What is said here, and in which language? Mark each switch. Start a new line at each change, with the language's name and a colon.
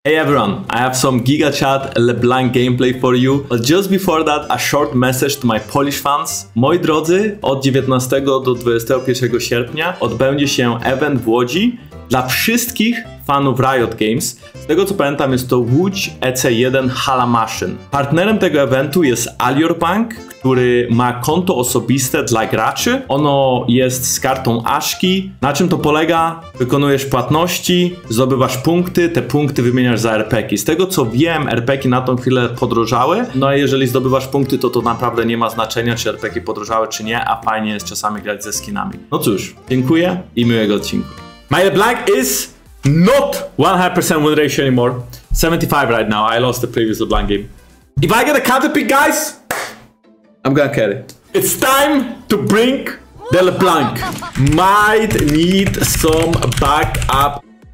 English: Hey everyone, I have some Giga Chat LeBlanc gameplay for you, but just before that, a short message to my Polish fans.
Polish: Moi drodzy, od 19 do 21 sierpnia odbędzie się event w Łodzi dla wszystkich fanów Riot Games. Z tego co pamiętam, jest to Łódź EC1 Hala Maszyn. Partnerem tego eventu jest Alior Bank, który ma konto osobiste dla graczy. Ono jest z kartą Aszki. Na czym to polega? Wykonujesz płatności, zdobywasz punkty, te punkty wymieniasz za RP-ki. Z tego co wiem, RP-ki na tą chwilę podrożały. No a jeżeli zdobywasz punkty, to naprawdę nie ma znaczenia, czy RP-ki podrożały, czy nie, a fajnie jest czasami grać ze skinami. No cóż, dziękuję i miłego odcinku.
English: My LeBlanc is not 100% win ratio anymore. 75 right now, I lost the previous LeBlanc game. If I get a counter pick, guys, I'm gonna carry. It's time to bring the LeBlanc. Might need some backup.